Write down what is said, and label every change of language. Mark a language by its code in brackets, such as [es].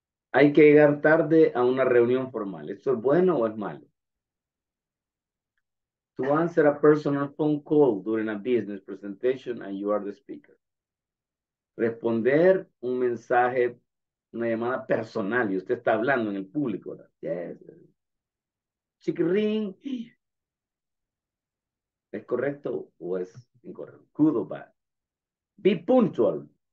[es] Hay que llegar tarde a una reunión formal. ¿Esto es bueno o es malo? [en] To answer a personal phone call during a business presentation and you are the speaker. [es] Responder un mensaje, una llamada personal y usted está hablando en el público. Yes. Chiquirín. ¿Es correcto o es incorrecto? [en] Good or bad. Be punctual.